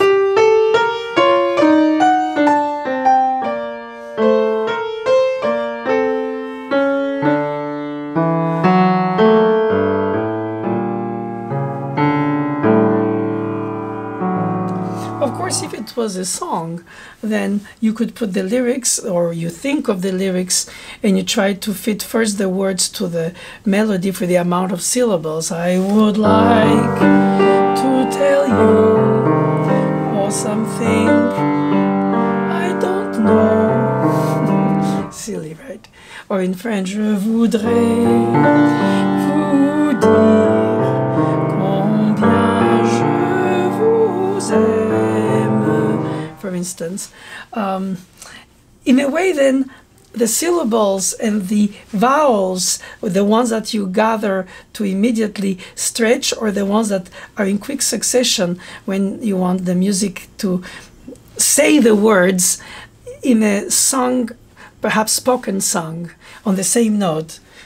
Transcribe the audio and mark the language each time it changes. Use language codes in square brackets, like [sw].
[en] Of course, if it was a song, then you could put the lyrics, or you think of the lyrics, and you try to fit first the words to the melody for the amount of syllables. I would like to tell you something I don't know. Silly, right? Or in French, [fr] je voudrais vous dire combien je vous aime, for instance. [en] In a way, then, the syllables and the vowels, the ones that you gather to immediately stretch, or the ones that are in quick succession when you want the music to say the words in a song, perhaps spoken song, on the same note.